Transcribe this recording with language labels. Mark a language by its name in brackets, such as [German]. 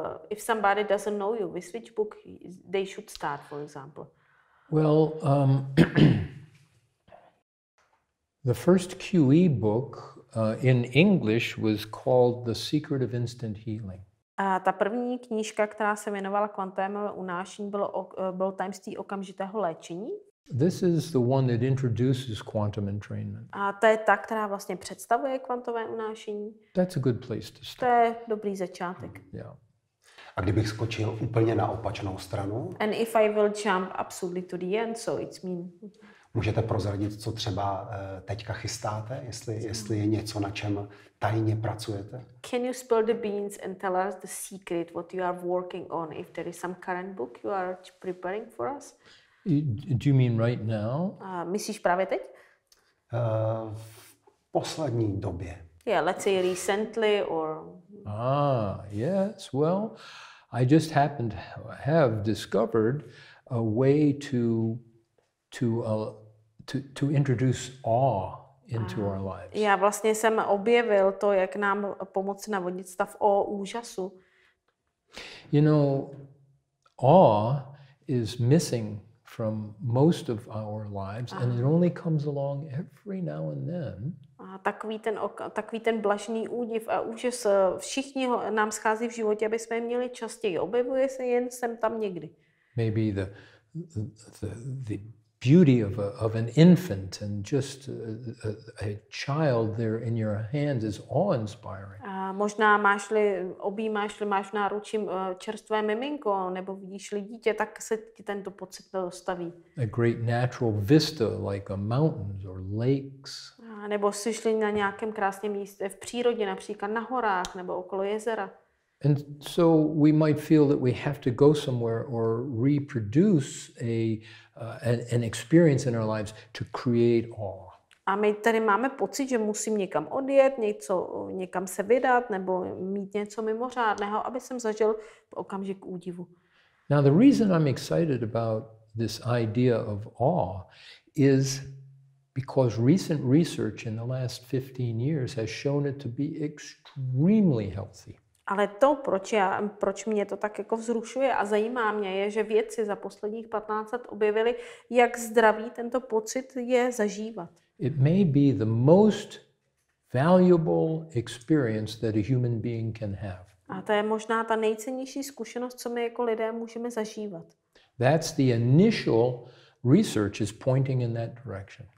[English] If somebody doesn't know you, with which book they should start, for example? Well, the first QE book in English was called The Secret of Instant Healing. [Czech] Ta první knížka, která se jmenovala Kvantové unášení, bylo Tajemství okamžitého léčení. [English] This is the one that introduces quantum entrainment. [Czech] A to je ta, která vlastně představuje kvantové unášení. [English] That's a good place to start. [Czech] To je dobrý začátek. [English] Yeah. [Czech] A kdybych skočil úplně na opačnou stranu? [English] And if I will jump absolutely to the end, so it's mean. [Czech] Můžete prozradit, co třeba teďka chystáte, jestli je něco, na čem tajně pracujete? [English] Can you spill the beans and tell us the secret what you are working on, if there is some current book you are preparing for us? Do you mean right now? [Czech] Myslíš právě teď? V poslední době. [English] Yeah, let's say recently or... Yes, well, I just happened to have discovered a way to introduce awe into our lives. [Czech] Já vlastně jsem objevil to, jak nám pomoct navodit stav úžasu. [English] You know, awe is missing from most of our lives, and it only comes along every now and then. [Czech] A takový ten blažný údiv a úžas všichni nám schází v životě, aby jsme měli častěji. Objevuje se jen sem tam někdy. [English] Maybe the beauty of an infant and just a child there in your hands is awe-inspiring. [Czech] A možná máš v náručí čerstvé miminko, nebo vidíš-li dítě, tak se ti tento pocit dostaví. [English] A great natural vista like a mountains or lakes. [Czech] A nebo jsi-li na nějakém krásném místě v přírodě, například na horách nebo okolo jezera. [English] And so we might feel that we have to go somewhere or reproduce an experience in our lives to create awe. [Czech] A my tady máme pocit, že musím někam odjet, někam se vydat nebo mít něco mimořádného, aby jsem zažil okamžik údivu. [English] Now the reason I'm excited about this idea of awe is because recent research in the last 15 years has shown it to be extremely healthy. [Czech] Ale to, proč mě to tak jako vzrušuje a zajímá mě, je, že vědci za posledních 15 let objevili, jak zdravý tento pocit je zažívat. [English] It may be the most valuable experience that a human being can have. [Czech] A to je možná ta nejcennější zkušenost, co my jako lidé můžeme zažívat. [English] That's the initial research is pointing in that direction.